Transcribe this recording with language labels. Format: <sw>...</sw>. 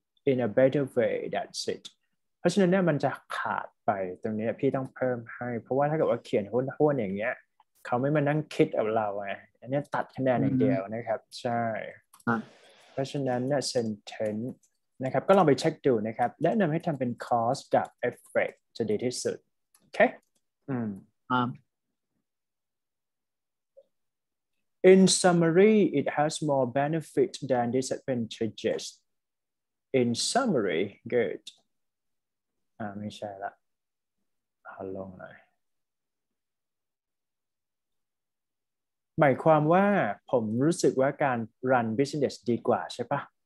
<en>in a better way that's it</en> <th>เพราะฉะนั้นเนี่ยมันจะขาดไปตรงนี้พี่ต้องเพิ่มให้เพราะว่าถ้าเกิดว่าเขียนห้วนๆอย่างเงี้ยเขาไม่มานั่งคิดกับเราไงอันนี้ตัดคะแนนอย่างเดียวนะครับใช่เพราะฉะนั้นเนี่ย sentence นะครับก็ลองไปเช็คดูนะครับแนะนำให้ทำเป็น cause กับ effect จะดีที่สุด</th> <en>Okay. In summary, it has more benefits than disadvantages. In summary, good.</en> <th>ไม่ใช่ละ</th> <en>How long</en> <th>หน่อยหมายความว่าผมรู้สึกว่าการ</th> <en>run business</en> <th>ดีกว่าใช่ปะ</th>